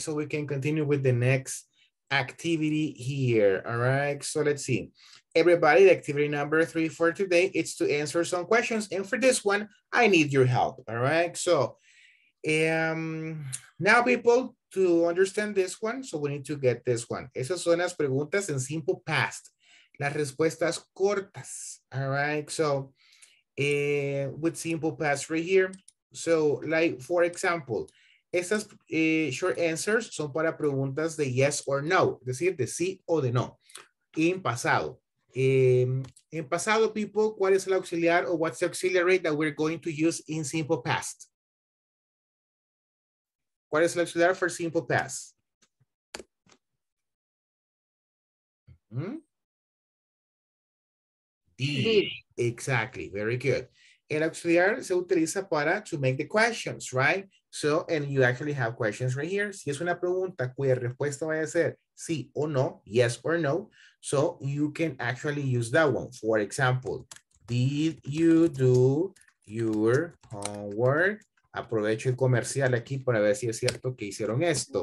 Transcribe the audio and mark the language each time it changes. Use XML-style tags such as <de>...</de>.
<en>So we can continue with the next activity here. All right, so let's see, everybody, the activity number 3 for today, it's to answer some questions, and for this one I need your help. All right, so now people, to understand this one, so we need to get this one.</en> <es>Esas son las preguntas en simple past, las respuestas cortas.</es> <en>All right, so with simple past right here, so like for example,</en> <es>estas</es> <en>short answers</en> <es>son para preguntas de</es> <en>yes or no,</en> <es>es decir, de sí o de no. En pasado. En pasado,</es> <en>people,</en> <es>¿cuál es el auxiliar o</es> <en>what's the auxiliary that we're going to use in simple past?</en> <es>¿Cuál es el auxiliar</es> <en>for simple past? Did. Exactly. Very good.</en> <es>El auxiliar se utiliza para</es> <en>to make the questions, right? So, and you actually have questions right here.</en> <es>Si es una pregunta cuya respuesta vaya a ser sí o no,</es> <en>yes or no. So, you can actually use that one. For example, did you do your homework?</en> <es>Aprovecho el comercial aquí para ver si es cierto que hicieron esto.</es>